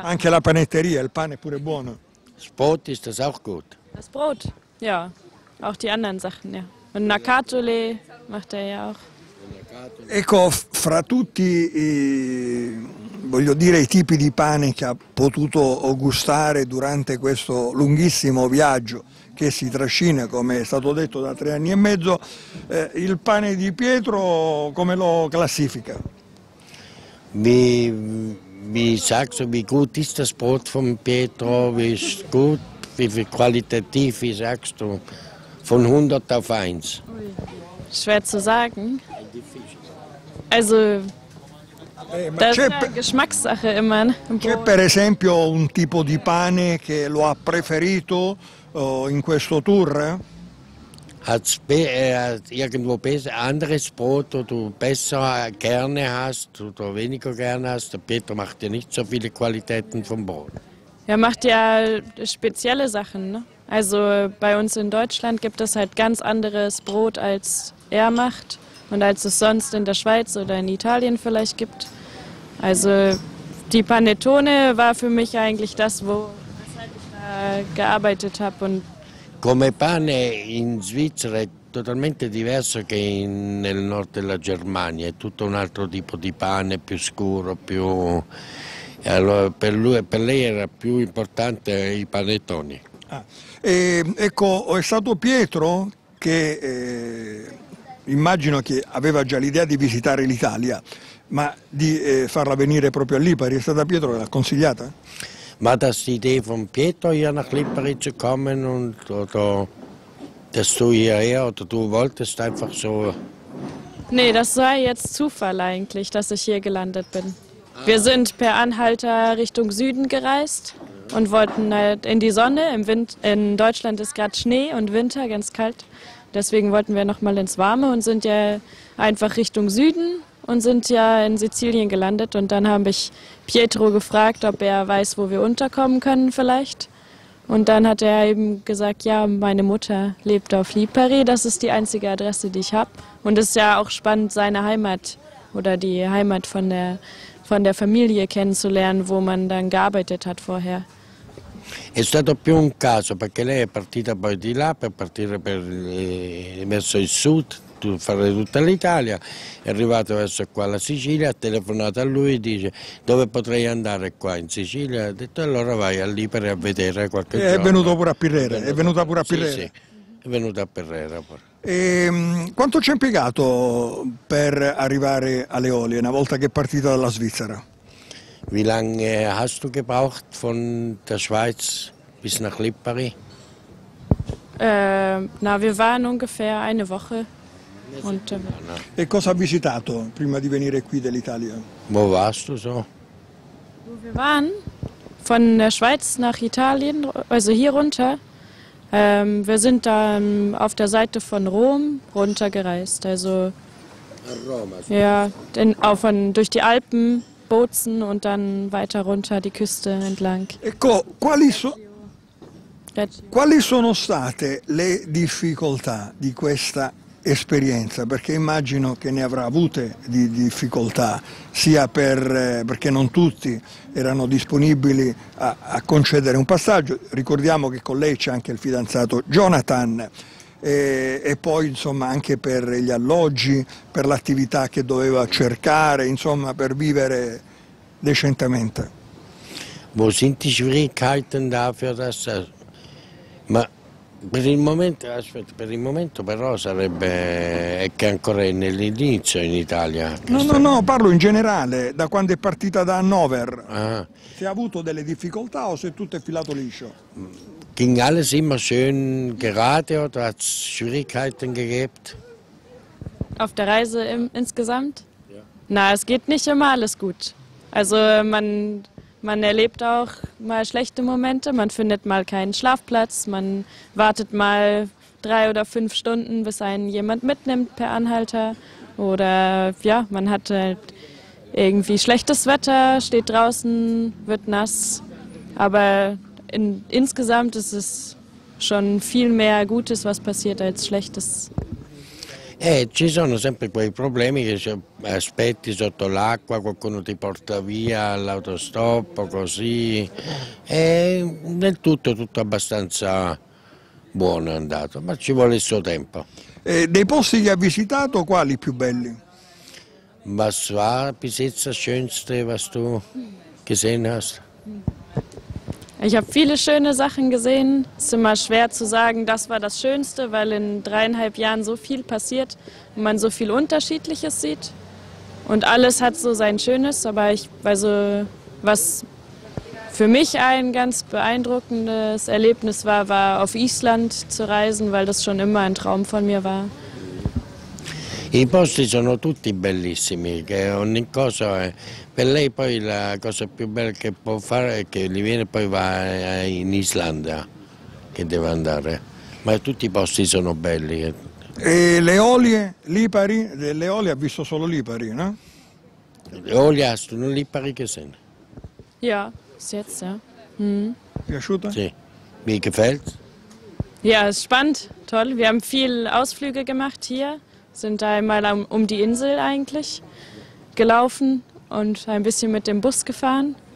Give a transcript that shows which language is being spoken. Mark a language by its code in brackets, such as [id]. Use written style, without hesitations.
[it] Anche la panetteria, il pane è pure buono. [de] Sport ist das auch gut. Das Brot, ja. Auch die anderen Sachen, ja. Und Nakatole macht ja auch. [it] Ecco, fra tutti, voglio dire, i tipi di pane che ha potuto gustare durante questo lunghissimo viaggio, che si trascina, come è stato detto, da 3 anni e mezzo, il pane di Pietro come lo classifica? [de] Wie sagst du, wie gut ist das Brot von Pietro? Wie ist gut? Wie viel qualitativ, wie sagst du, von 100 auf 1? Schwer zu sagen. Also, das ist eine Geschmackssache immer. [it] C'è per esempio un tipo di pane che lo ha preferito in questo tour? [de] Hat irgendwo anderes Brot, wo du besser gerne hast oder weniger gerne hast? Der Pietro macht ja nicht so viele Qualitäten vom Brot. Er macht ja spezielle Sachen, ne? Also bei uns in Deutschland gibt es halt ganz anderes Brot, als er macht und als es sonst in der Schweiz oder in Italien vielleicht gibt. Also die Panettone war für mich eigentlich das, weshalb ich da gearbeitet habe. [it] Come pane in Svizzera è totalmente diverso che nel nord della Germania, è tutto un altro tipo di pane, più scuro, più... Allora, per lei era più importante i panettoni. Ah, ecco, è stato Pietro che immagino che aveva già l'idea di visitare l'Italia, ma di farla venire proprio a Lipari, è stata Pietro che l'ha consigliata? Ma da si deve un Pietro io [de] nach Lipari zu kommen und da [it] sto io e [de] oder du wolltest einfach so. Nee, das war jetzt Zufall eigentlich, dass ich hier gelandet bin. Wir sind per Anhalter Richtung Süden gereist und wollten halt in die Sonne. In Deutschland ist gerade Schnee und Winter, ganz kalt. Deswegen wollten wir nochmal ins Warme und sind ja einfach Richtung Süden und sind ja in Sizilien gelandet. Und dann habe ich Pietro gefragt, ob er weiß, wo wir unterkommen können vielleicht. Und dann hat er eben gesagt, ja, meine Mutter lebt auf Lipari. Das ist die einzige Adresse, die ich habe. Und es ist ja auch spannend, seine Heimat oder die Heimat von der Familie kennenzulernen, wo man dann gearbeitet hat vorher. [it] È stato più un caso, perché lei è partita poi di là per partire verso il sud, fare tutta l'Italia, è arrivato verso qua la Sicilia, ha telefonato a lui e dice dove potrei andare qua in Sicilia, ha detto allora vai a Lipari a vedere qualche giorno. È venuto pure a Pirrera, è venuta pure a Pirrera. Sì, è venuta a Pirrera pure. E quanto ci ha impiegato per arrivare alle Eolie una volta che è partita dalla Svizzera? [de] Wie lange hast du gebraucht von der Schweiz bis nach Lipari? Na, wir waren ungefähr eine Woche. [it] Und, e cosa ha visitato prima di venire qui dall'Italia? [de] Wo warst du so? Wo wir waren? Von der Schweiz nach Italien, also hier runter. Wir sind dann auf der Seite von Rom runtergereist. Also, Roma, so ja, denn auch von, durch die Alpen, Bozen und dann weiter runter die Küste entlang. [it] Ecco, quali sono state le difficoltà di questa esperienza? Perché immagino che ne avrà avute di difficoltà, sia perché non tutti erano disponibili a concedere un passaggio. Ricordiamo che con lei c'è anche il fidanzato Jonathan. E poi insomma anche per gli alloggi, per l'attività che doveva cercare, insomma per vivere decentemente. [de] Wo sind die Schwierigkeiten dafür, dass er... [it] Ma per il momento, aspetta, per il momento però sarebbe è che ancora è nell'inizio in Italia. No, no, no, parlo in generale, da quando è partita da Hannover. Ah. Si è avuto delle difficoltà o se tutto è filato liscio? [de] Ging alles immer schön gerade oder hat es Schwierigkeiten gegeben? Auf der Reise insgesamt? Ja. Na, es geht nicht immer alles gut. Also man erlebt auch mal schlechte Momente, man findet mal keinen Schlafplatz, man wartet mal 3 oder 5 Stunden, bis einen jemand mitnimmt per Anhalter. Oder ja, man hat halt irgendwie schlechtes Wetter, steht draußen, wird nass, aber... Insgesamt ist es schon viel mehr Gutes, was passiert, als Schlechtes. [it] Ci sono sempre quei problemi che aspetti sotto l'acqua, qualcuno ti porta via all'autostop, così. E nel tutto abbastanza buono è andato, ma ci vuole il suo tempo. Dei posti che ha visitato, quali più belli? [de] Was war bis jetzt das Schönste, was du gesehen hast? Ich habe viele schöne Sachen gesehen. Es ist immer schwer zu sagen, das war das Schönste, weil in 3,5 Jahren so viel passiert und man so viel Unterschiedliches sieht. Und alles hat so sein Schönes. Aber was für mich ein ganz beeindruckendes Erlebnis war, war auf Island zu reisen, weil das schon immer ein Traum von mir war. [it] I posti sono tutti bellissimi, che ogni cosa è. Per lei poi la cosa più bella che può fare è che gli viene poi va in Islanda, che deve andare. Ma tutti i posti sono belli. E le Eolie, Lipari? Le Eolie ha visto solo Lipari, no? [de] Le Eolie hast du nur Lipari gesehen? Ja, jetzt, ja. [it] Piaciuta? Sì. Mi [de] gefällt? Ja, es ist spannend, toll. Wir haben viel Ausflüge gemacht hier, sind da einmal um die Insel eigentlich gelaufen und ein bisschen mit dem Bus gefahren.